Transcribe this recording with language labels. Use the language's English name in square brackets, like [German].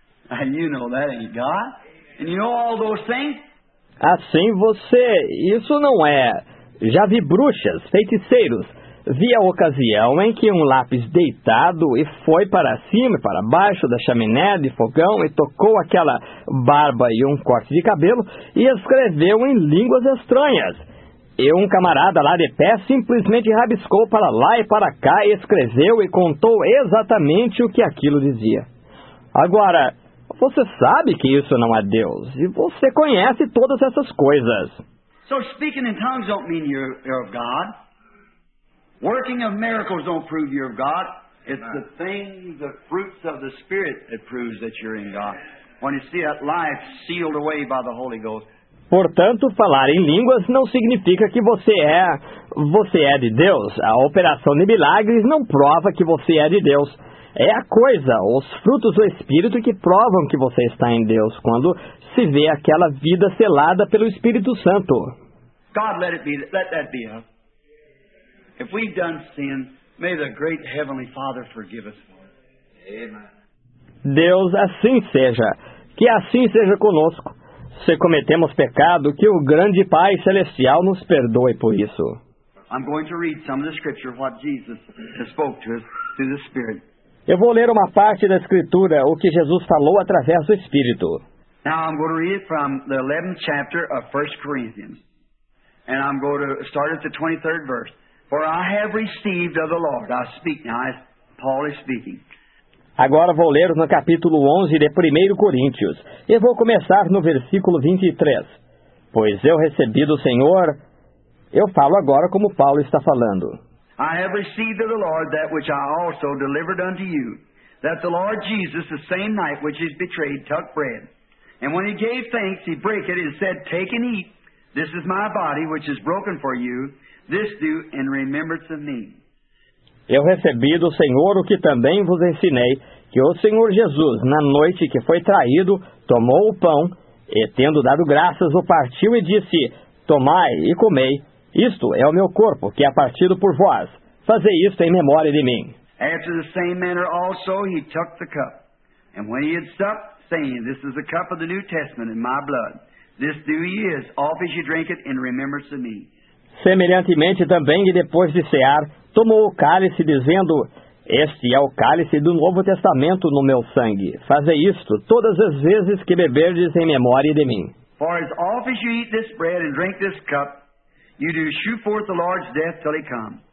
[English] And you know that ain't God. And you know all those things? [Portuguese] Assim você, isso não é. Já vi bruxas, feiticeiros. Vi a ocasião em que um lápis deitado e foi para cima e para baixo da chaminé de fogão e tocou aquela barba e um corte de cabelo e escreveu em línguas estranhas. E um camarada lá de pé simplesmente rabiscou para lá e para cá e escreveu e contou exatamente o que aquilo dizia. Agora, você sabe que isso não é Deus e você conhece todas essas coisas. [English] So speaking in tongues don't mean you're of God. Working of miracles don't prove you're of God. It's the thing, the fruits of the Spirit that proves that you're in God. When you see that life sealed away by the Holy Ghost. [Portuguese] Portanto, falar em línguas não significa que você é de Deus. A operação de milagres não prova que você é de Deus. É a coisa, os frutos do Espírito que provam que você está em Deus quando se vê aquela vida selada pelo Espírito Santo. [English] God, let that be. If we've done sin, may the great heavenly Father forgive us for it. Amen. [Portuguese] Deus, assim seja. Que assim seja conosco. Se cometemos pecado, que o grande Pai Celestial nos perdoe por isso. [English] I'm going to read some of the scripture, what Jesus has spoke to us through the Spirit. [Portuguese] Eu vou ler uma parte da Escritura, o que Jesus falou através do Espírito. [English] Now I'm going to read from the 11th chapter of 1 Corinthians. And I'm going to start at the 23rd verse. For I have received of the Lord. I speak now. Paul is speaking. [Portuguese] Agora vou ler no capítulo 11 de 1 Coríntios. E vou começar no versículo 23. Pois eu recebi do Senhor. Eu falo agora como Paulo está falando. [English] I have received of the Lord that which I also delivered unto you. That the Lord Jesus, the same night which he was betrayed, took bread. And when he gave thanks, he brake it and said, Take and eat. This is my body which is broken for you. This do in remembrance of me. [Portuguese] Eu recebi do Senhor o que também vos ensinei, que o Senhor Jesus, na noite que foi traído, tomou o pão, e tendo dado graças, o partiu e disse: Tomai e comei, isto é o meu corpo, que é partido por vós. Fazei isto em memória de mim. [English] After the same manner also he took the cup, and when he had supped, saying, This is the cup of the New Testament in my blood. This do ye as oft as ye drink it in remembrance of me. [Portuguese] Semelhantemente também, e depois de cear, tomou o cálice, dizendo, Este é o cálice do Novo Testamento no meu sangue. Fazei isto todas as vezes que beberdes em memória de mim. [English] For as oft as you eat this bread and drink this cup, you do shew forth the Lord's death till he come.